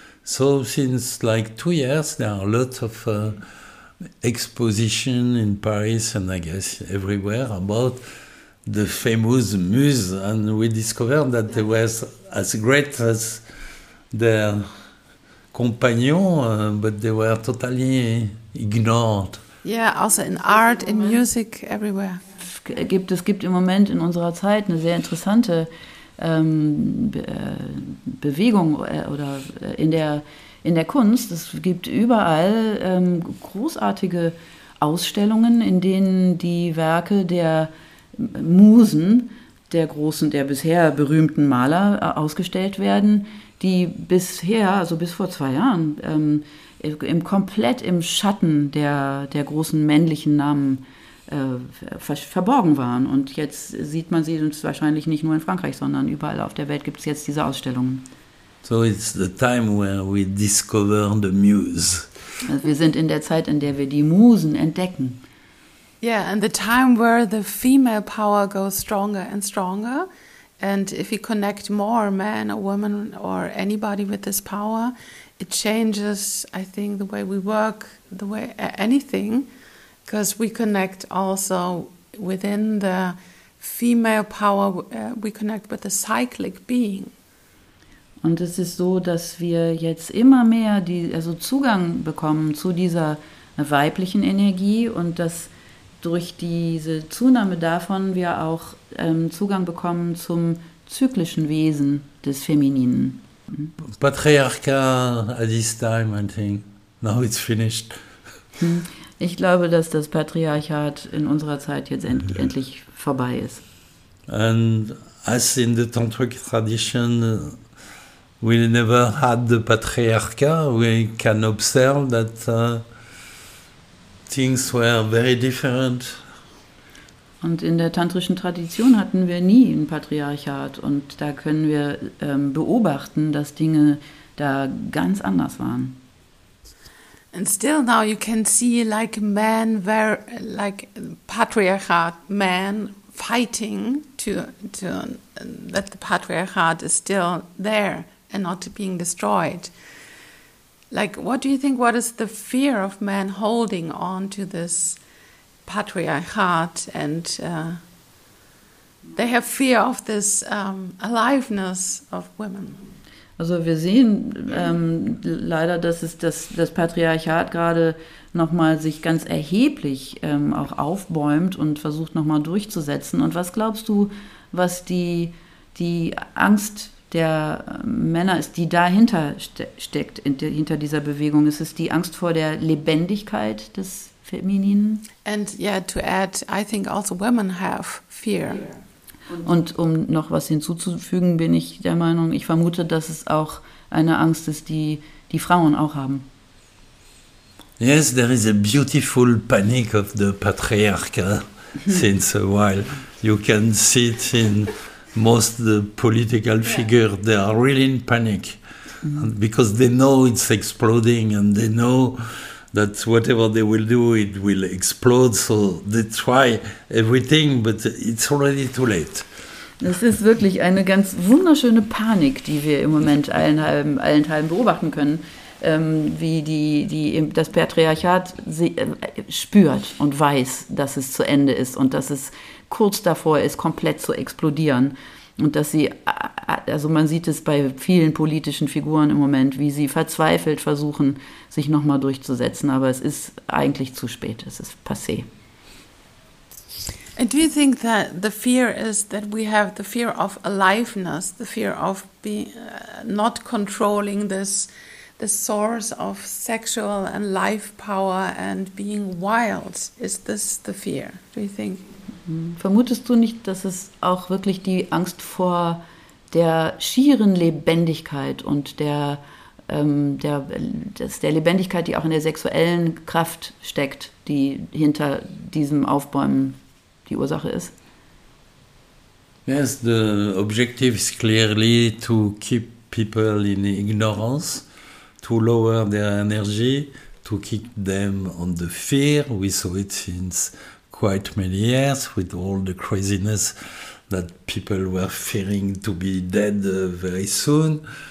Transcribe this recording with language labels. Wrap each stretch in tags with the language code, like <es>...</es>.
<en>So since like 2 years, there are lots of exposition in Paris and I guess everywhere about the famous muse, and we discovered that they were as great as their companion, but they were totally ignored. Yeah, also in art, in music, everywhere.</en> <de>Es gibt im Moment in unserer Zeit eine sehr interessante Bewegung oder in der in der Kunst. Es gibt überall großartige Ausstellungen, in denen die Werke der Musen, der großen, der bisher berühmten Maler ausgestellt werden, die bisher, also bis vor 2 Jahren, komplett im Schatten der großen männlichen Namen verborgen waren. Und jetzt sieht man sie uns wahrscheinlich nicht nur in Frankreich, sondern überall auf der Welt gibt es jetzt diese Ausstellungen.</de> <en>So it's the time where we discover the muse.</en> <de>Also wir sind in der Zeit, in der wir die Musen entdecken.</de> <en>Yeah, and the time where the female power goes stronger and stronger. And if we connect more men or women or anybody with this power, it changes, I think, the way we work, the way anything, because we connect also within the female power, we connect with the cyclic being.</en> <de>Und es ist so, dass wir jetzt immer mehr also Zugang bekommen zu dieser weiblichen Energie und dass durch diese Zunahme davon wir auch Zugang bekommen zum zyklischen Wesen des Femininen.</de> <en>Patriarchat at this time, I think. Now it's finished.</en> <de>Ich glaube, dass das Patriarchat in unserer Zeit jetzt endlich vorbei ist.</de> <en>And as in the tantric tradition, we never had the patriarchat. We can observe that things were very different.</en> <de>Und in der tantrischen Tradition hatten wir nie ein Patriarchat. Und da können wir beobachten, dass Dinge da ganz anders waren.</de> <en>And still now you can see like men, like patriarchat men fighting to that the patriarchat is still there and not being destroyed. Like, what do you think, what is the fear of men holding on to this patriarchat, and they have fear of this aliveness of women.</en> <de>Also wir sehen leider, dass es das Patriarchat gerade nochmal sich ganz erheblich auch aufbäumt und versucht nochmal durchzusetzen. Und was glaubst du, was die Angst der Männer ist, die dahinter steckt, hinter dieser Bewegung? Ist es die Angst vor der Lebendigkeit des Femininen?</de> <en>And yeah, to add, I think also women have fear.</en> <de>Und um noch was hinzuzufügen, bin ich der Meinung, ich vermute, dass es auch eine Angst ist, die Frauen auch haben.</de> <en>Yes, there is a beautiful panic of the patriarchy since a while. You can see it in most of the political figures. They are really in panic because they know it's exploding and they know that whatever they will do, it will explode. So they try everything, but it's already too late.</en> <de>Das ist wirklich eine ganz wunderschöne Panik, die wir im Moment allenthalben beobachten können, wie das Patriarchat spürt und weiß, dass es zu Ende ist und dass es kurz davor ist, komplett zu explodieren. Und dass sie, also man sieht es bei vielen politischen Figuren im Moment, wie sie verzweifelt versuchen, sich nochmal durchzusetzen. Aber es ist eigentlich zu spät, es ist passé.</de> <en>And do you think that the fear is that we have the fear of aliveness, the fear of not controlling this source of sexual and life power and being wild? Is this the fear, do you think?</en> <de>Vermutest du nicht, dass es auch wirklich die Angst vor der schieren Lebendigkeit und der Lebendigkeit, die auch in der sexuellen Kraft steckt, die hinter diesem Aufbäumen die Ursache ist?</de> <en>Yes, the objective is clearly to keep people in ignorance, to lower their energy, to kick them on the fear. We saw it since quite many years with all the craziness that people were fearing to be dead very soon.</en>